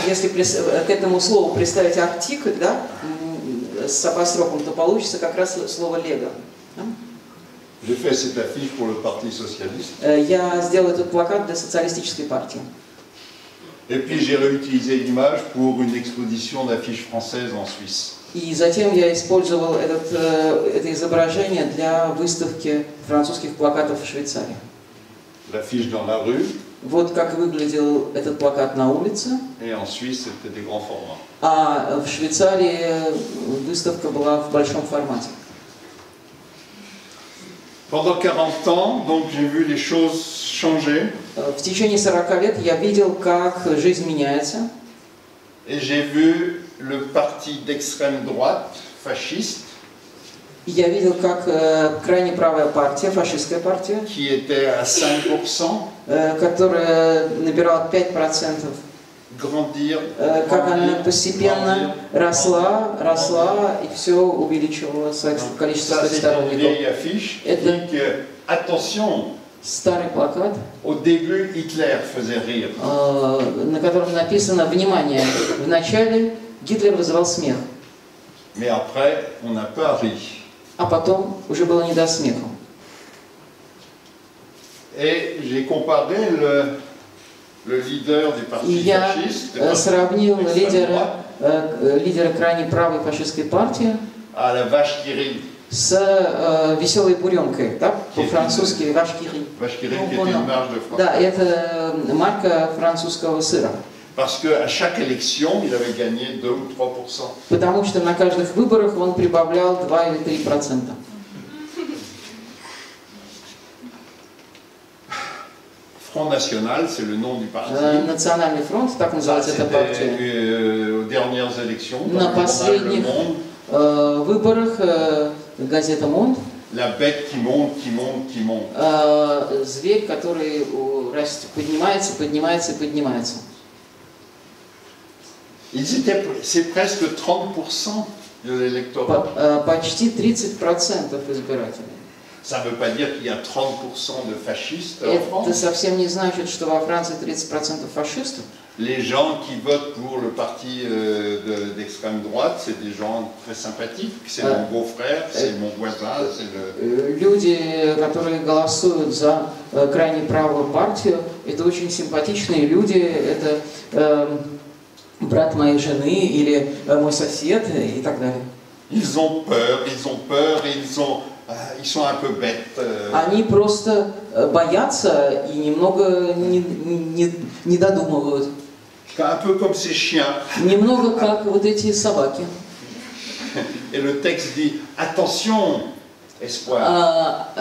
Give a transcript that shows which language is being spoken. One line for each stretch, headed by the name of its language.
Russian: Если к этому слову представить артикль, да, с апострофом, то получится как раз слово Lego.
French: J'ai fait cette affiche pour le Parti Socialiste.
Russian: Я сделал этот плакат для социалистической партии.
French: Et puis j'ai réutilisé l'image pour une exposition d'affiches françaises en Suisse.
Russian: И затем я использовал это изображение для выставки французских плакатов в Швейцарии.
French: L'affiche dans la rue.
Russian: Вот как выглядел этот плакат на улице.
French: Et en Suisse, c'était des grands formats.
Russian: А в Швейцарии выставка была в большом формате.
French: Pendant 40 ans, donc j'ai vu les choses changer.
Russian: В течение 40 лет я видел, как жизнь меняется.
French: Et j'ai vu le parti d'extrême droite, fasciste.
Russian: Я видел, как крайне правая партия, фашистская партия,
French: qui était à 5%,
Russian: которая набирала 5%,
French: grandir,
Russian: как она постепенно росла и все увеличивала свое количество сторонников. Attention. Старый плакат.
French: Au début, Hitler faisait rire.
Russian: На котором написано внимание. В начале Гитлер вызывал смех.
French: Mais après, on a pas ri.
Russian: А потом уже было не до смеха.
French: Et j'ai comparé le leader du parti fasciste.
Russian: Я сравнил лидера крайне правой фашистской партии.
French: À la vache qui rit.
Russian: С веселой буренкой, да, по-французски «Vache qui rit». «Vache qui rit», это марка французского. Да, это марка французского сыра.
French: Parce que à chaque élection, il avait gagné 2 ou 3%.
Russian: Потому что на каждых выборах он прибавлял 2 или 3%.
French: Front National, c'est le nom du parti.
Russian: Национальный фронт, так называется эта партия.
French: C'était aux dernières élections.
Russian: На последних выборах газета «Монд».
French: La bête qui monte.
Russian: Зверь, который растет, поднимается.
French: Ils étaient, c'est presque 30% de l'électorat.
Russian: Почти 30% избирателей.
French: Ça ne veut pas dire qu'il y a 30% de fascistes en France.
Russian: Это совсем не значит, что во Франции 30% фашистов.
French: Les gens qui votent pour le parti d'extrême droite, c'est des gens très sympathiques. C'est mon beau-frère, c'est mon voisin, c'est le.
Russian: Люди, которые голосуют за крайне правую партию, это очень симпатичные люди. Это брат моей жены или мой сосед и так далее.
French: Ils ont peur, ils ont peur, ils ont. Ils sont un peu bêtes.
Russian: Они просто боятся и немного не додумывают.
French: Un peu comme ces chiens.
Russian: Немного как вот эти собаки.
French: Et le texte dit attention, espoir.